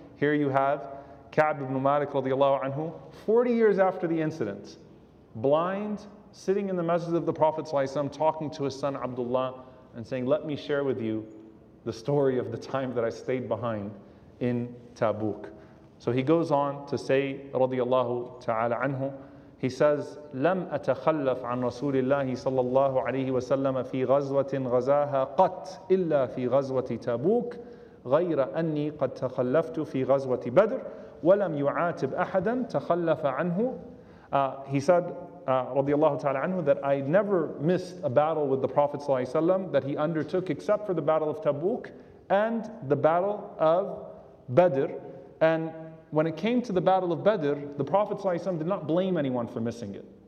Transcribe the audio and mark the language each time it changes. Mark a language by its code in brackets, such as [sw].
[en] Here you have Ka'b ibn Malik radiallahu anhu, 40 years after the incident, blind, sitting in the masjid of the Prophet ﷺ, talking to his son Abdullah and saying, let me share with you the story of the time that I stayed behind in Tabuk. So he goes on to say, radiallahu ta'ala anhu, he says, [ar] لم أتخلف عن رسول الله صلى الله عليه وسلم في غزوة غزاها قط إلا في غزوة تابوك غير أني قد تخلفت في غزوة بدر ولم يعاتب أحدا تخلف عنه. [en] He said, radiallahu ta'ala anhu, that I never missed a battle with the Prophet صلى الله عليه وسلم that he undertook except for the battle of Tabuk and the battle of Badr. And when it came to the battle of Badr, the Prophet ﷺ did not blame anyone for missing it.